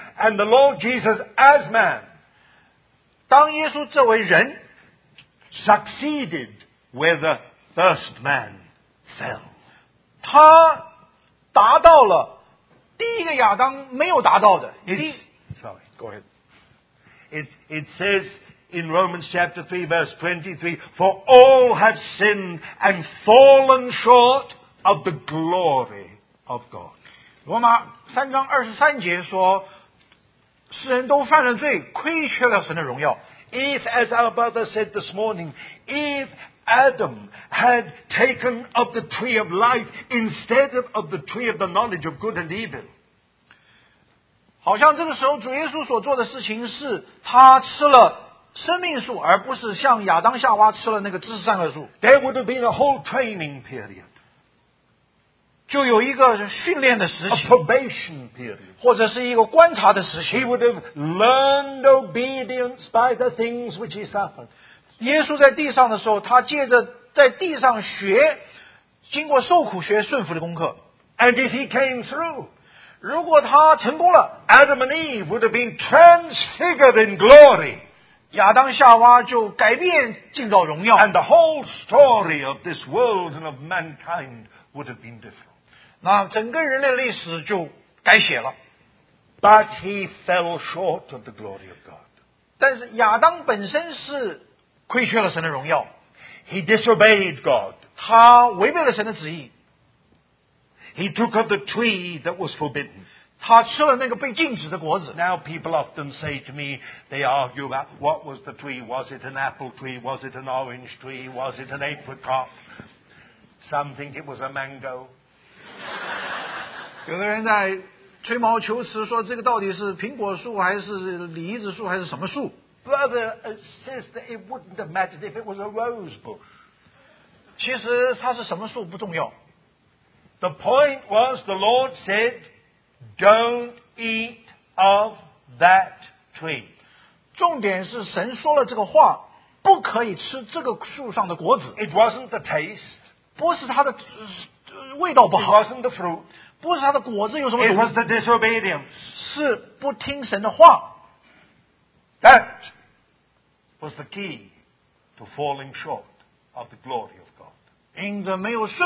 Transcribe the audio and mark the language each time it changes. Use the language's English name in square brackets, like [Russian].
[English] And the Lord Jesus as man. [Chinese] 当耶稣作为人， [English] succeeded where the first man fell. [Chinese] 他达到了第一个亚当没有达到的。 [English] Sorry, go ahead. It says in Romans chapter 3 verse 23, for all have sinned and fallen short of the glory of God. [Chinese] 罗马3章23节说，世人都犯了罪，亏缺了神的荣耀。 [English] If, as our brother said this morning, if Adam had taken of the tree of life instead of the tree of the knowledge of good and evil, [Chinese] 好像这个时候主耶稣所做的事情是他吃了生命树，而不是像亚当夏娃吃了那个知识善恶树。 [English] There would have been a whole training period. [Chinese] 就有一个训练的时期。 [English] A probation period. [Chinese] 或者是一个观察的时期。 [English] He would have learned obedience by the things which he suffered. [Chinese] 耶稣在地上的时候，他借着在地上学，经过受苦学顺服的功课。 [English] And if he came through, [Chinese] 如果他成功了， [English] Adam and Eve would have been transfigured in glory. [Chinese] 亚当夏娃就改变进到荣耀。 [English] And the whole story of this world and of mankind would have been different. [Chinese] 那整个人类历史就改写了。 [English] But he fell short of the glory of God. [Chinese] 但是亚当本身是亏缺了神的荣耀。 [English] He disobeyed God. [Chinese] 他违背了神的旨意。 [English] He took of the tree that was forbidden. Now people often say to me, they argue about what was the tree? Was it an apple tree? Was it an orange tree? Was it an apricot? Some think it was a mango. [Chinese] 有的人在吹毛求疵说这个到底是苹果树还是梨子树还是什么树? [English] Brother and sister, it wouldn't have mattered if it was a rose bush. [Chinese] 其实它是什么树不重要。 [English] The point was the Lord said, don't eat of that tree. [Chinese] 重点是神说了这个话,不可以吃这个树上的果子。 [English] It wasn't the taste. [Chinese] 不是它的味道不好。 [English] It wasn't the fruit. [Chinese] 不是它的果子有什么毒。 [English] It was the disobedience. [Chinese] 是不听神的话。 [English] That was the key to falling short of the glory of God.